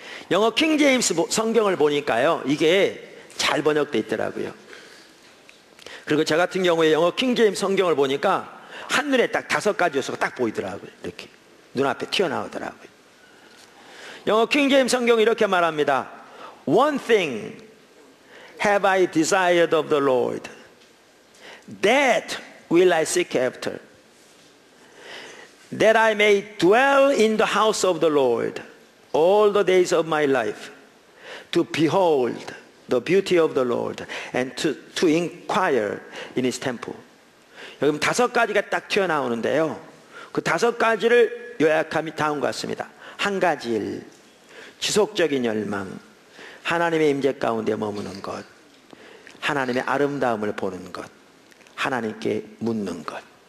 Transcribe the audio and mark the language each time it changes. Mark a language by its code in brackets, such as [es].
[ko] 영어 킹제임스 성경을 보니까요 이게 잘 번역되어 있더라고요. 그리고 저 같은 경우에 영어 킹제임스 성경을 보니까 한눈에 딱 다섯 가지 요소가 딱 보이더라고요. 이렇게 눈앞에 튀어나오더라고요. 영어 킹제임스 성경이 이렇게 말합니다. [en] One thing have I desired of the Lord, that will I seek after, that I may dwell in the house of the Lord all the days of my life, to behold the beauty of the Lord and to inquire in his temple. [ko] 여기 다섯 가지가 딱 튀어나오는데요 그 다섯 가지를 요약하면 다음과 같습니다. 한 가지 일, 지속적인 열망, 하나님의 임재 가운데 머무는 것, 하나님의 아름다움을 보는 것, 하나님께 묻는 것.